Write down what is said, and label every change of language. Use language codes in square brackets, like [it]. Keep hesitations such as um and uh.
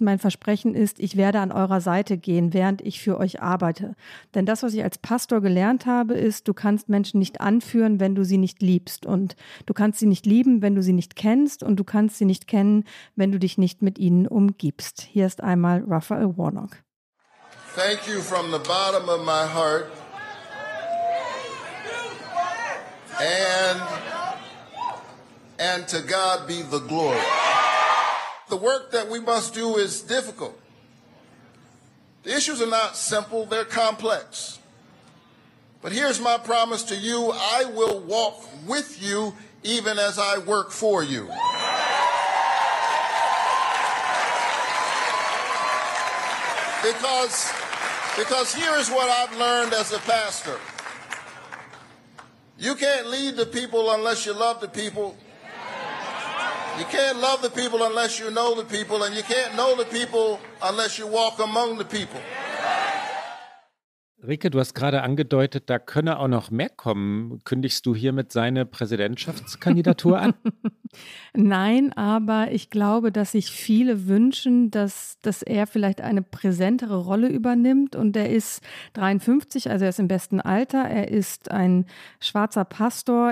[de] Mein Versprechen ist, ich werde an eurer Seite gehen, während ich für euch arbeite. Denn das, was ich als Pastor gelernt habe, ist, du kannst Menschen nicht anführen, wenn du sie nicht liebst. Und du kannst sie nicht lieben, wenn du sie nicht kennst. Und du kannst sie nicht kennen, wenn du dich nicht mit ihnen umgibst. Hier ist einmal Raphael Warnock. [en] Thank you from the bottom of my heart. And, and to God be the glory. The work that we must do is difficult. The issues are not simple, they're complex. But here's my promise to you I will walk with you even as I work for you. Because, because here is what I've learned as a pastor. You can't lead the people unless you love the people. You can't love the people unless you know the people, and you can't know the people unless you walk among the people. [de] Rike, du hast gerade angedeutet, da könne auch noch mehr kommen. Kündigst du hiermit seine Präsidentschaftskandidatur an? Nein, aber ich glaube, dass sich viele wünschen, dass, dass er vielleicht eine präsentere Rolle übernimmt. Und er ist 53, also er ist im besten Alter. Er ist ein schwarzer Pastor.